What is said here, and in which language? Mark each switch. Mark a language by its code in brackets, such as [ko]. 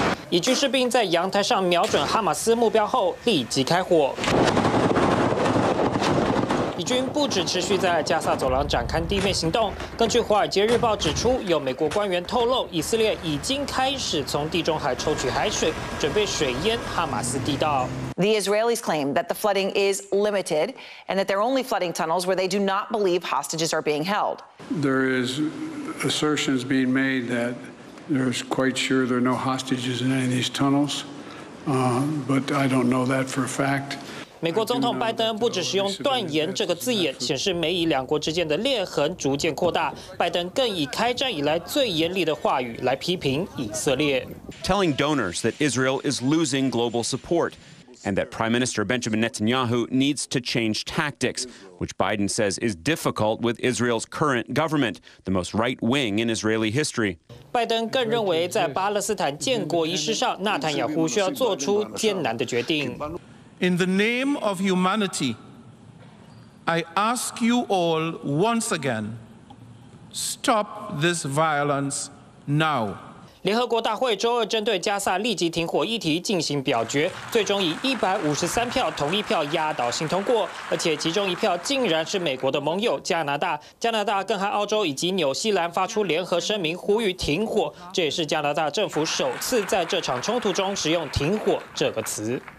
[zh] 以军士兵在阳台上瞄准哈马斯目标后立即开火。以军不止持续在加萨走廊展开地面行动，根据《华尔街日报》指出，有美国官员透露，以色列已经开始从地中海抽取海水，准备水淹哈马斯地道。 [en] The Israelis claim that the flooding is limited and that they're only flooding tunnels where they do not believe hostages are being held. There is assertions being made that there's quite sure there are no hostages in any of these tunnels, but I don't know that for a fact. [zh] 美国总统拜登不只使用断言这个字眼，显示美以两国之间的裂痕逐渐扩大，拜登更以开战以来最严厉的话语来批评以色列。 [en] Telling donors that Israel is losing global support and that Prime Minister Benjamin Netanyahu needs to change tactics, which Biden says is difficult with Israel's current government, the most right wing in Israeli history. [zh] 拜登更认为在巴勒斯坦建国仪式上，纳坦雅胡需要做出艰难的决定。 [en] In the name of humanity, I ask you all once again, stop this violence now. [zh] 联合国大会周二针对加萨立即停火议题进行表决，最终以153票同意票压倒性通过，而且其中一票竟然是美国的盟友加拿大。加拿大更和澳洲以及纽西兰发出联合声明呼吁停火，这也是加拿大政府首次在这场冲突中使用停火这个词。